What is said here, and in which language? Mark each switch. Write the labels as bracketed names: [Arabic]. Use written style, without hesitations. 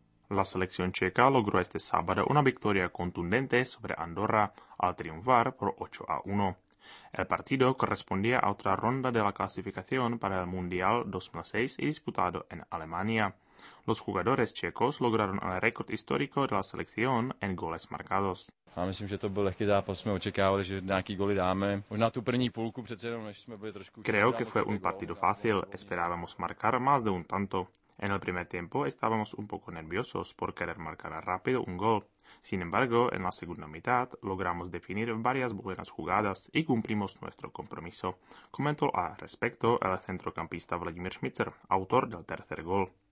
[Spanish] La selección checa logró este sábado una victoria contundente sobre Andorra al triunfar por 8-1. El partido correspondía a otra ronda de la clasificación para el Mundial 2006 y disputado en Alemania. Los jugadores checos lograron el récord histórico de la selección en goles marcados. [Czech] A myslím, že to byl lehký zápas, jsme očekávali, že nějaký goly dáme. Už na tu první půlku přece jenom, než jsme byli trošku... [Spanish] Creo que fue un partido fácil. Esperábamos marcar más de un tanto. En el primer tiempo estábamos un poco nerviosos por querer marcar rápido un gol. Sin embargo, en la segunda mitad logramos definir varias buenas jugadas y cumplimos nuestro compromiso, comentó al respecto el centrocampista Vladimír Schmitzer, autor del tercer gol.